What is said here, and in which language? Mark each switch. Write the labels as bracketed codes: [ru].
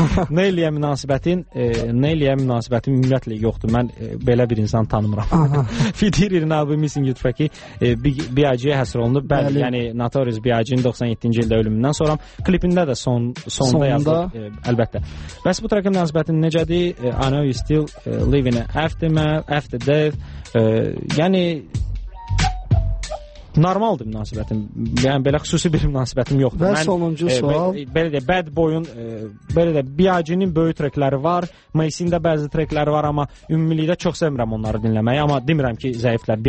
[az] Nə eləyə münasibətin? Nə eləyə münasibətin ümumiyyətlə yoxdur. Mən belə bir insan tanımıram. Fidirin abi Missing You treki B.I.G.-yə həsr olunub. Bəli, bəli, yəni Notorious B.I.G.-in 97-ci ildə ölümündən sonra klipində də sonda yazdı əlbəttə. Bəs bu trekin münasibətin necədir? [en] I know you still living after death. [az] Yəni normaldır münasibətim. Yəni belə xüsusi bir münasibətim yoxdur. Və sonuncu sual. Belə deyək, Bad Boy-un belə deyək, B.I.G.-nin böyük trekləri var. Mace-in də bəzi trekləri var, amma ümumilikdə çox sevmirəm onları dinləməyi. Amma demirəm ki, zəiflər.